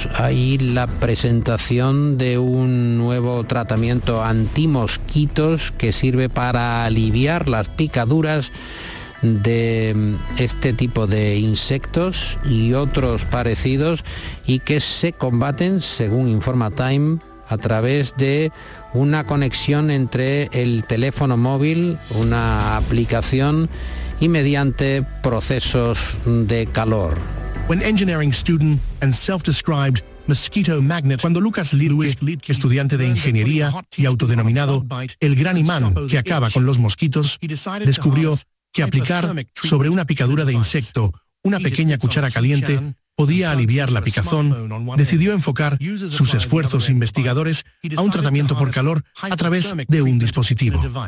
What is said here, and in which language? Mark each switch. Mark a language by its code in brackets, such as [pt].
[es] Hay la presentación de un nuevo tratamiento antimosquitos que sirve para aliviar las picaduras de este tipo de insectos y otros parecidos, y que se combaten, según informa Time, a través de una conexión entre el teléfono móvil, una aplicación y mediante procesos de calor. [en] When engineering student and self-described mosquito magnet. [es] Cuando Lucas Lidwick, estudiante de ingeniería y autodenominado el gran imán que acaba con los mosquitos, descubrió que aplicar sobre una picadura de insecto una pequeña cuchara caliente podía aliviar la picazón, decidió enfocar sus esfuerzos investigadores a un tratamiento por calor a través de un dispositivo.